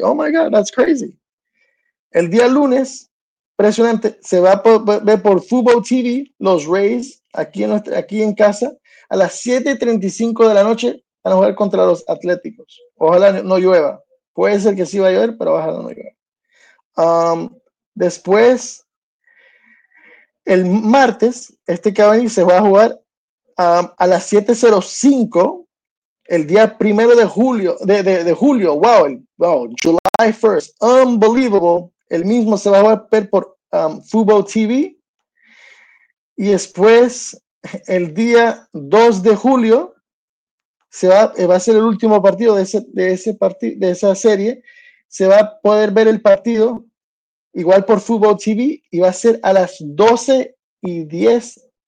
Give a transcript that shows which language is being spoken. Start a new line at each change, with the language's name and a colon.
English: Oh my God, that's crazy.
Spanish: El día lunes, impresionante, se va a ver por Fubo TV, los Rays, aquí en casa, a las 7:35 de la noche van a jugar contra los Atléticos. Ojalá no llueva. Puede ser que sí va a llover, pero bájalo, no llueve. Después, el martes, este que va a venir se va a jugar a las 7:05, el día primero de julio. De julio,
English: wow, July 1st, unbelievable.
Spanish: El mismo se va a ver por Fubo TV. Y después, el día 2 de julio, va a ser el último partido de esa serie. Se va a poder ver el partido igual por Fubo TV y va a ser a las 12:10.